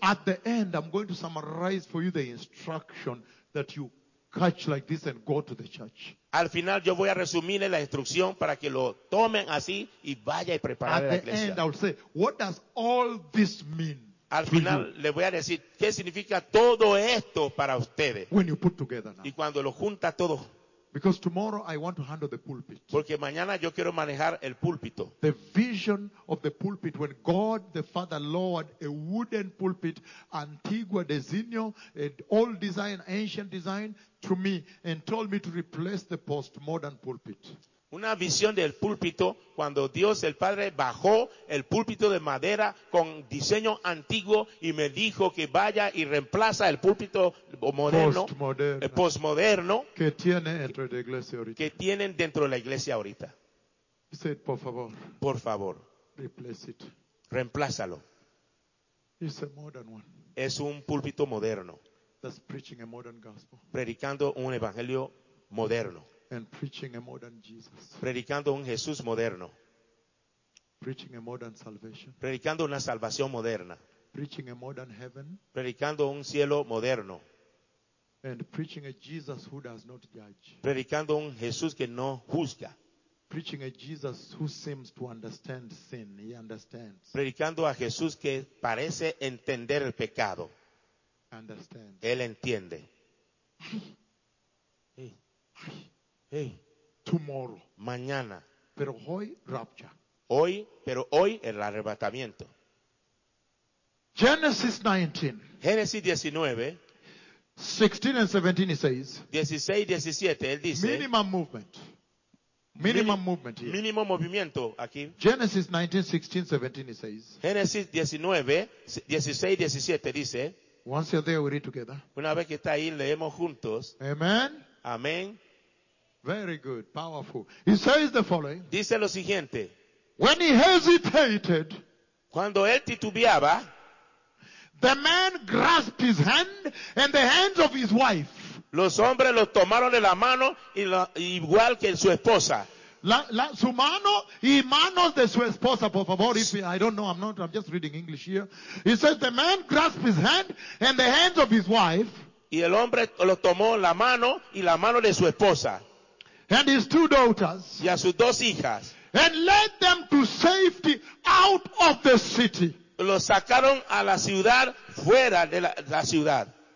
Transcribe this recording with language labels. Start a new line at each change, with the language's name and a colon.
English: At the end, I'm going to summarize for you the instruction that you catch like this and go to the church.
Spanish: Al final, yo voy a resumirle la instrucción para que lo tomen así y vaya y prepare la iglesia.
English: At the end, I'll say, what does all this mean?
Spanish: Al final le voy a decir qué significa todo esto para ustedes.
English: When you put together now.
Spanish: Y cuando lo junta todo.
English: Because tomorrow I want to handle the pulpit.
Spanish: Porque mañana yo quiero manejar el púlpito.
English: The vision of the pulpit when God the Father lowered a wooden pulpit,
Spanish: antigua designio,
English: an old design, ancient design, to me and told me to replace the postmodern pulpit.
Spanish: Una visión del púlpito cuando Dios el Padre bajó el púlpito de madera con diseño antiguo y me dijo que vaya y reemplaza el púlpito moderno, postmoderno que tiene dentro de la iglesia ahorita. Que tienen dentro de la iglesia ahorita.
English: He said,
Spanish: por favor. Por favor.
English: Replace it.
Spanish: Reemplázalo.
English: It's a modern one.
Spanish: Es un púlpito moderno.
English: That's preaching a modern gospel.
Spanish: Predicando un evangelio moderno.
English: And preaching a modern Jesus.
Spanish: Predicando un Jesús moderno.
English: Preaching a modern salvation.
Spanish: Predicando una salvación moderna.
English: Preaching a modern heaven.
Spanish: Predicando un cielo moderno.
English: And preaching a Jesus who does not judge.
Spanish: Predicando un Jesús que no juzga.
English: Preaching a Jesus who seems to understand sin. He understands.
Spanish: Predicando a Jesús que parece entender el pecado.
English: Understand.
Spanish: Él entiende.
English: Hey, tomorrow.
Spanish: Mañana. Pero hoy, rapture. Hoy, pero hoy el arrebatamiento.
English: Genesis 19.
Spanish: Génesis 19.
English: 16 and 17, he says.
Spanish: 16, 17, él dice.
English: Minimum movement. Minimum movement here.
Spanish: Mínimo movimiento aquí.
English: Genesis 19, 16, 17, he says.
Spanish: Génesis 19, 16, 17, dice.
English: Once you're there, we read together.
Spanish: Una vez que está ahí, leemos juntos.
English: Amen.
Spanish: Amén.
English: Very good, powerful. He says the following.
Spanish: Dice lo siguiente.
English: When he hesitated,
Spanish: cuando él titubeaba,
English: the man grasped his hand and the hands of his wife.
Spanish: Los hombres lo tomaron de la mano y igual que su esposa. Su mano y manos de su esposa, por favor.
English: I'm just reading English here. He says the man grasped his hand and the hands of his wife.
Spanish: Y el hombre lo tomó la mano y la mano de su esposa.
English: And his two daughters.
Spanish: Y a sus dos hijas.
English: And led them to safety out of the city.
Spanish: Los sacaron a la ciudad fuera de la ciudad.